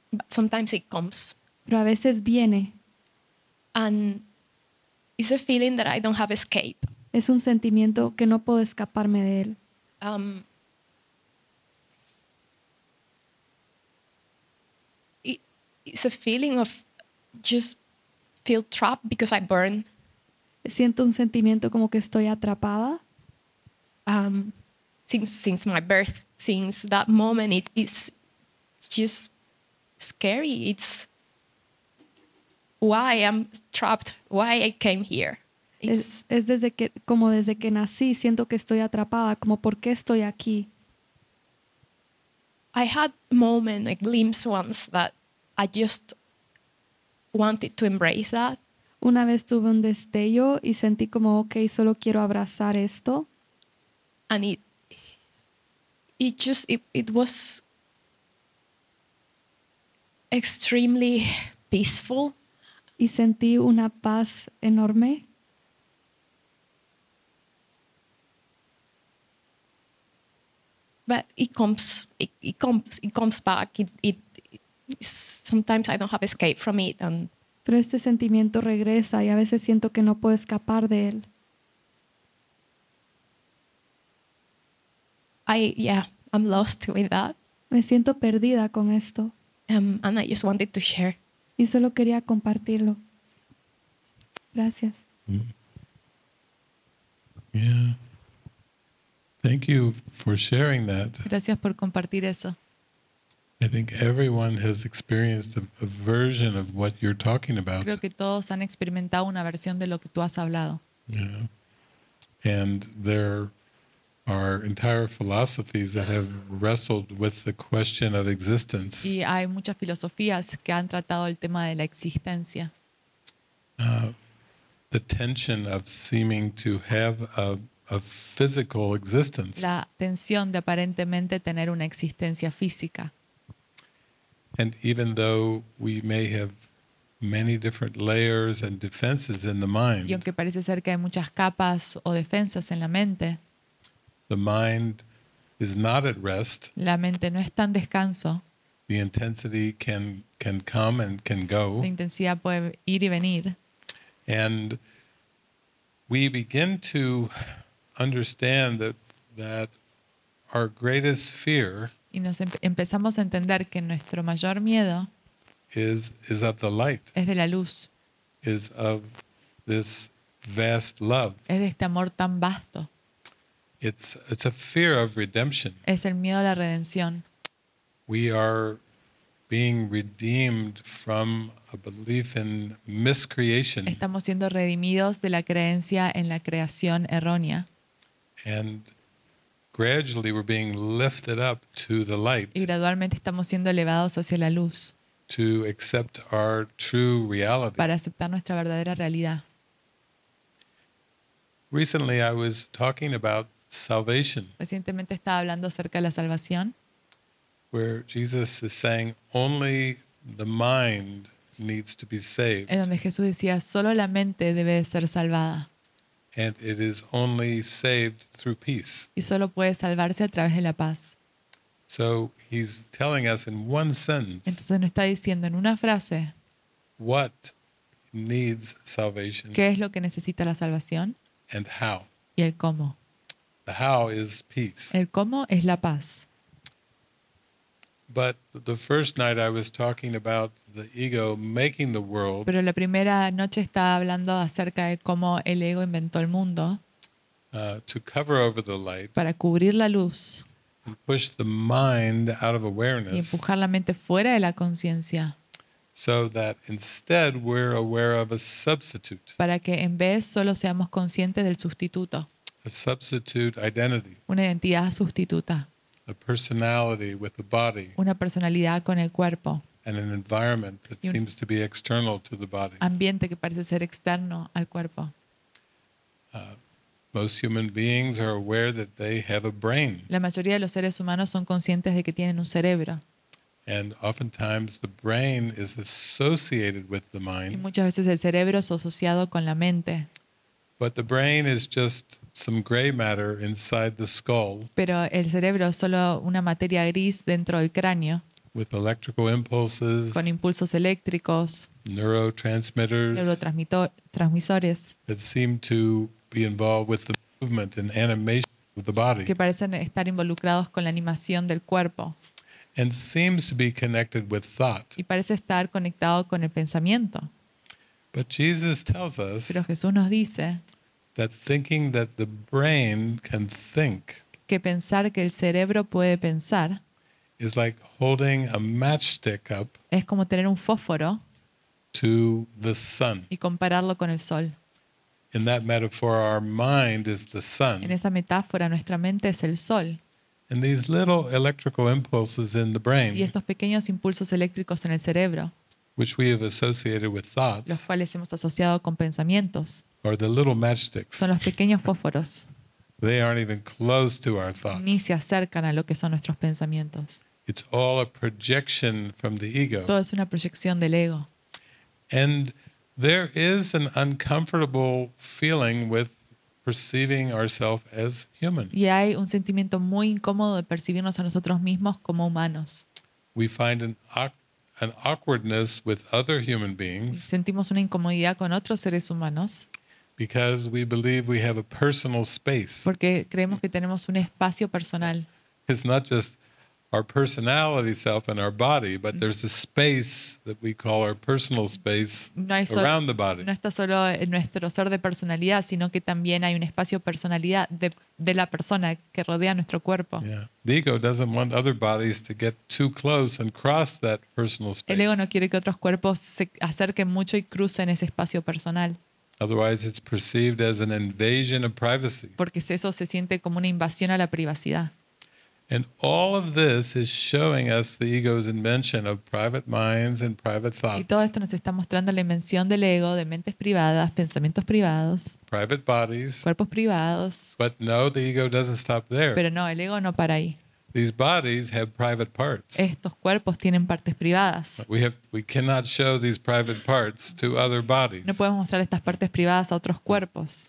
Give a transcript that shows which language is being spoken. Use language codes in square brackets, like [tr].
[en] But sometimes it comes. [es] Pero a veces viene. [en] And it's a feeling that I don't have escape. [es] Es un sentimiento que no puedo escaparme de él. [en] It's a feeling of just feel trapped because I burn. [es] Siento un sentimiento como que estoy atrapada. [en] Since my birth, since that moment, it's just scary. It's why I'm trapped, why I came here. [es] Es desde que, como desde que nací, siento que estoy atrapada, como por qué estoy aquí. [en] I had a moment, a glimpse once, that I just wanted to embrace that. [es] Una vez tuve un destello y sentí como, okay, solo quiero abrazar esto. [en] And it was extremely peaceful. [es] Y sentí una paz enorme. [en] But it comes back. Sometimes I don't have escape from it. And [es] pero este sentimiento regresa y a veces siento que no puedo escapar de él. [en] I'm lost with that. [es] Me siento perdida con esto. [en] And I just wanted to share. [es] Y solo quería compartirlo. Gracias. Mm. [en] Yeah. Thank you for sharing that. [es] Gracias por compartir eso. [en] I think everyone has experienced a version of what you're talking about. [es] Creo que todos han experimentado una versión de lo que tú has hablado. [en] Yeah. And there are entire philosophies that have wrestled with the question of existence. [es] Y hay muchas filosofías que han tratado el tema de la existencia. [en] The tension of seeming to have a physical existence. [es] La tensión de aparentemente tener una existencia física. [en] And even though we may have many different layers and defenses in the mind. [es] Y aunque parece ser que hay muchas capas o defensas en la mente. [en] The mind is not at rest. [es] La mente no está en descanso. [en] The intensity can come and can go. [es] La intensidad puede ir y venir. [en] And we begin to understand that our greatest fear. [es] Y nos empezamos a entender que nuestro mayor miedo [en] is of the light. [es] Es de la luz. [en] Is of this vast love. [es] Es de este amor tan vasto. [en] It's a fear of redemption. [es] Es el miedo a la redención. [en] We are being redeemed from a belief in miscreation. [es] Estamos siendo redimidos de la creencia en la creación errónea. [en] And gradually we're being lifted up to the light. [es] Y gradualmente estamos siendo elevados hacia la luz. [en] To accept our true reality. [es] Para aceptar nuestra verdadera realidad. [en] Recently I was talking about salvation. [es] Recientemente estaba hablando acerca de la salvación. [en] Where Jesus is saying only the mind needs to be saved. [es] En donde Jesús decía solo la mente debe ser salvada. [en] And it is only saved through peace. [es] Y solo puede salvarse a través de la paz. [en] So he's telling us in one sentence. [es] Entonces nos está diciendo en una frase. [en] What needs salvation? [es] ¿Qué es lo que necesita la salvación? [en] And how? [es] Y el cómo. [en] The how is peace. [es] El cómo es la paz. [en] But the first night I was talking about the ego making the world. [es] Pero la primera noche estaba hablando acerca de cómo el ego inventó el mundo. [en] To cover over the light. [es] Para cubrir la luz. [en] And push the mind out of awareness. [es] Y empujar la mente fuera de la conciencia. [en] So that instead we're aware of a substitute. [es] Para que en vez solo seamos conscientes del sustituto. [en] A substitute identity. [es] Una identidad sustituta. [en] A personality with the body. [es] Una personalidad con el cuerpo. [en] And an environment that seems to be external to the body. [es] Ambiente que parece ser externo al cuerpo. [en] Most human beings are aware that they have a brain. [es] La mayoría de los seres humanos son conscientes de que tienen un cerebro. [en] And oftentimes the brain is associated with the mind. [es] Y muchas veces el cerebro es asociado con la mente. [en] But the brain is just some gray matter inside the skull. [es] Pero el cerebro es solo una materia gris dentro del cráneo. [en] With electrical impulses. [es] Con impulsos eléctricos. [en] Neurotransmitters. [es] Neurotransmisores. [en] That seem to be involved with the movement and animation of the body. [es] Que parecen estar involucrados con la animación del cuerpo. [en] And seems to be connected with thought. [es] Y parece estar conectado con el pensamiento. [en] But Jesus tells us. [es] Pero Jesús nos dice. [en] That thinking that the brain can think. [es] Que pensar que el cerebro puede pensar. [en] Is like holding a matchstick up. [es] Es como tener un fósforo. [en] To the sun. [es] Y compararlo con el sol. [en] In that metaphor, our mind is the sun. [es] En esa metáfora, nuestra mente es el sol. [en] And these little electrical impulses in the brain. [es] Y estos pequeños impulsos eléctricos en el cerebro. [en] Which we have associated with thoughts. [es] Los cuales hemos asociado con pensamientos. [en] Or the little matchsticks. [es] Son los pequeños fósforos. [en] They aren't even close to our thoughts. [es] Ni se acercan a lo que son nuestros pensamientos. [en] It's all a projection from the ego. [es] Todo es una proyección del ego. [en] And there is an uncomfortable feeling with perceiving ourselves as human. [es] Y hay un sentimiento muy incómodo de percibirnos a nosotros mismos como humanos. [en] We find an awkwardness with other human beings. [es] Sentimos una incomodidad con otros seres humanos. [en] Because we believe we have a personal space. [es] Porque creemos que tenemos un espacio personal. [en] It's not just our personality self and our body, but there's a space that we call our personal space around the body. [es] No está solo en nuestro ser de personalidad, sino que también hay un espacio personalidad de la persona que rodea nuestro cuerpo. [en] Yeah. The ego doesn't want other bodies to get too close and cross that personal space. [es] El ego no quiere que otros cuerpos se acerquen mucho y crucen ese espacio personal. [en] Otherwise, it's perceived as an invasion of privacy. [es] Porque eso se siente como una invasión a la privacidad. [en] And all of this is showing us the ego's invention of private minds and private thoughts. [es] Y todo esto nos está mostrando la invención del ego de mentes privadas, pensamientos privados. [en] Private bodies. [es] Cuerpos privados. [en] But no, the ego doesn't stop there. [es] Pero no, el ego no para ahí. [en] These bodies have private parts. [es] Estos cuerpos tienen partes privadas. [en] We cannot show these private parts to other bodies. [es] No podemos mostrar estas partes privadas a otros cuerpos.